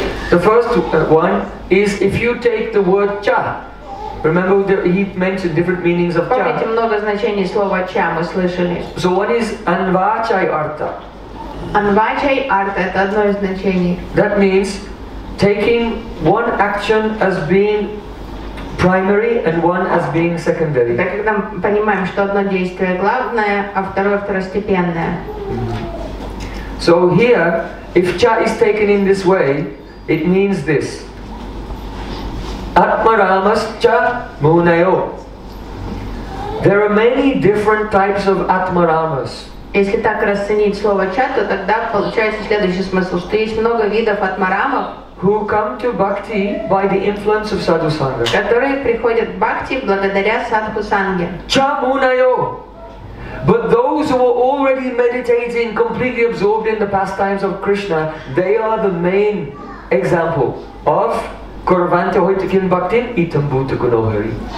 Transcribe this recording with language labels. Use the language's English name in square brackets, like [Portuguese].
[English] The first one is if you take the word cha. Remember, he mentioned different meanings of cha. [Russian] Помните, много значений слова cha мы слышали. [English] So what is anvachai artha? [Russian] Anvachai artha – это одно из значений. [English] That means taking one action as being primary and one as being secondary. [Russian] Так когда мы понимаем, что одно действие главное, а второе второстепенное. [English] So here, if cha is taken in this way, it means this. [Sanskrit] Atmaramascha munayo. [English] There are many different types of atmaramas. [Russian] Если так расценить слово ча, то тогда получается следующий смысл, что есть много видов атмарамов, [English] who come to bhakti by the influence of sadhu sangha. [Russian] Которые приходят в бхакти благодаря садху санге. [Sanskrit] Cha munayo. [English] But those who are already meditating, completely absorbed in the pastimes of Krishna, they are the main example of [Sanskrit] Курванте Хойтикин Бхактин и Тамбута Гунохари.